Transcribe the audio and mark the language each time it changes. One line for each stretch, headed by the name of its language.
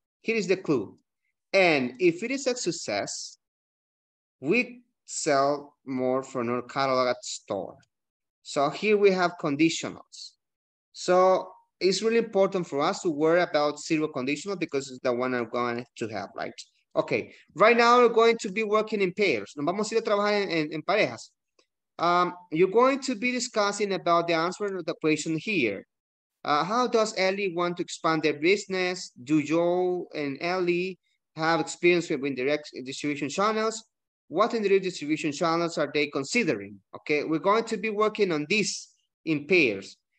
English: Here is the clue. And if it is a success, we sell more from our catalog at store. So here we have conditionals. So it's really important for us to worry about zero conditional because it's the one I'm going to have, right? Okay, right now we're going to be working in pairs.
Spanish: Nos vamos a ir a trabajar en parejas.
English: You're going to be discussing about the answer of the question here. How does Ellie want to expand their business? Do Joel and Ellie have experience with indirect distribution channels? What indirect distribution channels are they considering? Okay, we're going to be working on this in pairs.